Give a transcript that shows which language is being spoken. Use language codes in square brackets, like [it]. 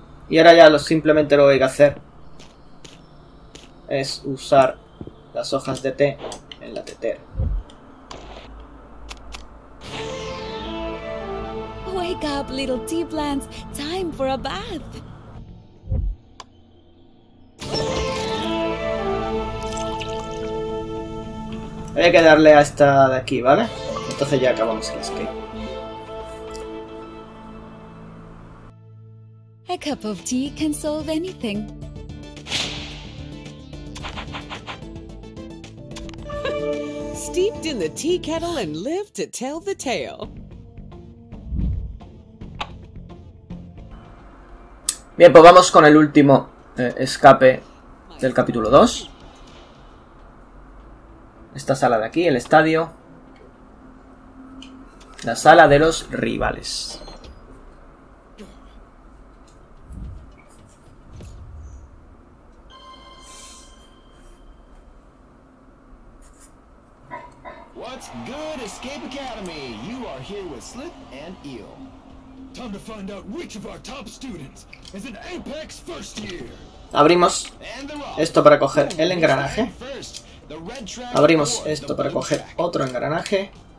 [es] Y ahora ya simplemente lo que hay que hacer es usar las hojas de té en la tetera. [en] Wake up, little tea plants. Time for a bath. [es] Voy a quedarle a esta de aquí, ¿vale? Entonces ya acabamos el escape. [en] A cup of tea can solve anything. Steeped in the tea kettle and live to tell the tale. [es] Bien, pues vamos con el último escape del capítulo 2. Esta sala de aquí, el estadio. La sala de los rivales. [en] What's good, Escape Academy? You are here with Slip and Eel. Time to find out which of our top students is an Apex first year. [es] Abrimos esto para coger el engranaje. Abrimos esto para coger otro engranaje.